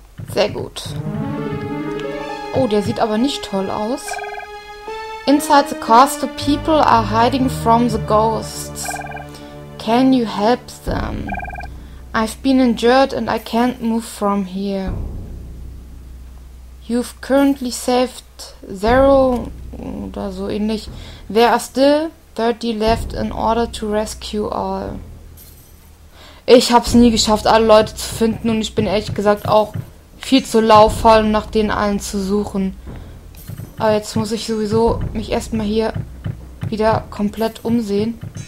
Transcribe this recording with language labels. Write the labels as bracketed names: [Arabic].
[German] Sehr gut. Oh, der sieht aber nicht toll aus. [English] Inside the castle, people are hiding from the ghosts. Can you help them? I've been injured and I can't move from here. You've currently saved 0 [German] oder so ähnlich. [English] There are still 30 left in order to rescue all. [German] Ich hab's nie geschafft, alle Leute zu finden und ich bin ehrlich gesagt auch viel zu lauffaul, um nach den allen zu suchen. Aber jetzt muss ich sowieso mich erstmal hier wieder komplett umsehen.